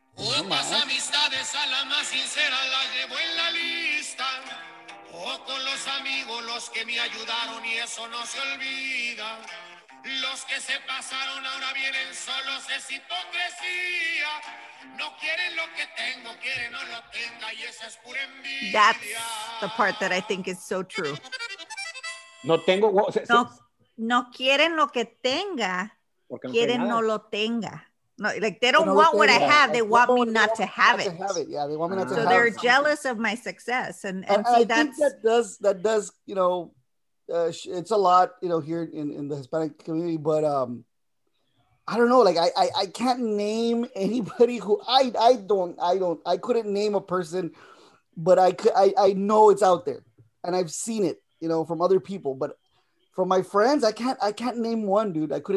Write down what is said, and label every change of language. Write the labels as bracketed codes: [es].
[es] Pocas amistades a la más sincera las llevo en la lista. Pocos los amigos los que me ayudaron y eso no se olvida. Los que se pasaron ahora vienen solos, es hipocresía. No quieren lo que tengo, quieren no lo tenga y eso es pura envidia. [en] That's the part that I think is so true. [es] No tengo... Well, [en] no. [es] No quieren lo que tenga, quieren no lo tenga. [en] No, like, they don't want what I have, they want me not to have it. Yeah, they want me not to have it. So they're jealous of my success. And see, that's... I think that does, you know, it's a lot, you know, here in the Hispanic community, but I don't know, like, I can't name anybody who, I couldn't name a person, but I know it's out there, and I've seen it, you know, from other people, but from my friends, I can't name one, dude.